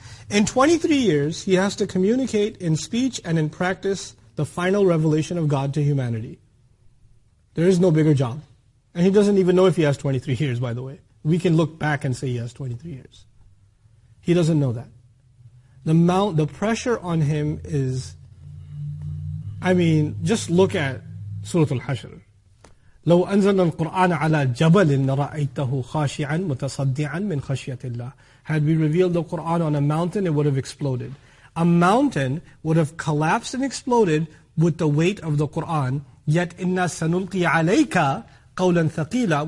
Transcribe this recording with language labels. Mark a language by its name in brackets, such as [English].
[English] In 23 years, he has to communicate in speech and in practice the final revelation of God to humanity. There is no bigger job. And he doesn't even know if he has 23 years, by the way. We can look back and say he has 23 years. He doesn't know that. The pressure on him is, I mean, just look at Surah Al-Hashr. [Arabic] لو أنزلنا القرآن على جبل لرأيته خاشعا متصدعا من خشية الله. [English] Had we revealed the Quran on a mountain, it would have exploded. A mountain would have collapsed and exploded with the weight of the Quran. [Arabic] Yet إنا سنلقي عليك قولا ثقيلا.